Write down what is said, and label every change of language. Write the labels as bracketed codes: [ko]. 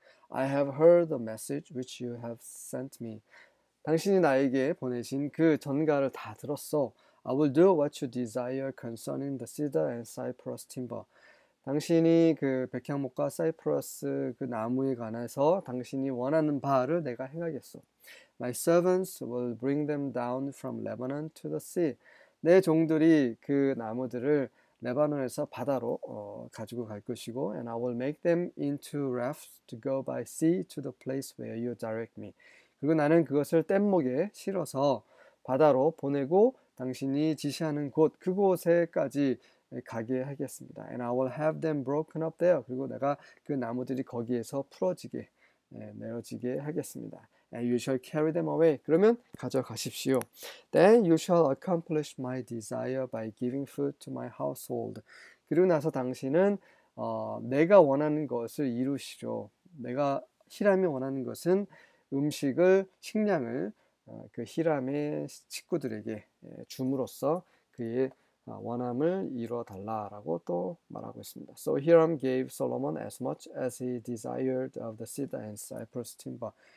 [en] I have heard the message which you have sent me. [ko] 당신이 나에게 보내신 그 전가를 다 들었어. [en] I will do what you desire concerning the cedar and cypress timber. [ko] 당신이 그 백향목과 사이프러스 그 나무에 관해서 당신이 원하는 바를 내가 행하겠소. [en] My servants will bring them down from Lebanon to the sea. [ko] 내 종들이 그 나무들을 레바논에서 바다로 가지고 갈 것이고, [en] and I will make them into rafts to go by sea to the place where you direct me. [ko] 그리고 나는 그것을 뗏목에 실어서 바다로 보내고 당신이 지시하는 곳, 그곳에까지 가게 하겠습니다. [en] And I will have them broken up there. [ko] 그리고 내가 그 나무들이 거기에서 풀어지게, 내려지게 하겠습니다. [en] And you shall carry them away. [ko] 그러면 가져가십시오. [en] Then you shall accomplish my desire by giving food to my household. [ko] 그리고 나서 당신은 내가 원하는 것을 이루시죠. 내가 히람이 원하는 것은 음식을, 식량을 그 히람의 식구들에게 줌으로써 그의 원함을 이루어 달라라고 또 말하고 있습니다. [en] So Hiram gave Solomon as much as he desired of the cedar and cypress timber.